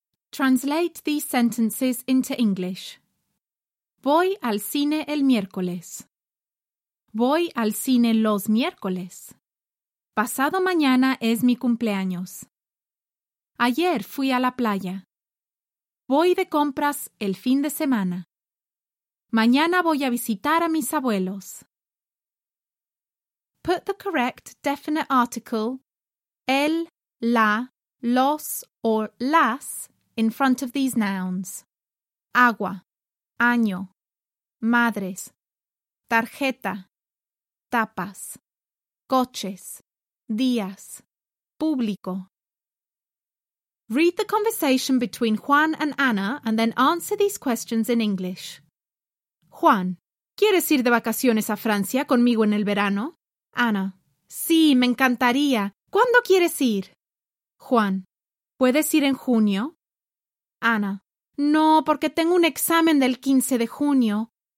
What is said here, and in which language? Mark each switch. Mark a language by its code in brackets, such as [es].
[en] Translate these sentences into English. [es] Voy al cine el miércoles. Voy al cine los miércoles. Pasado mañana es mi cumpleaños. Ayer fui a la playa. Voy de compras el fin de semana. Mañana voy a visitar a mis abuelos. [en] Put the correct definite article, el, la, los, or las, in front of these nouns. [es] Agua, año, madres, tarjeta, tapas, coches, días, público. [en] Read the conversation between Juan and Ana and then answer these questions in English. [es] Juan, ¿quieres ir de vacaciones a Francia conmigo en el verano? Ana, sí, me encantaría. ¿Cuándo quieres ir? Juan, ¿puedes ir en junio? Ana, no, porque tengo un examen del 15 de junio.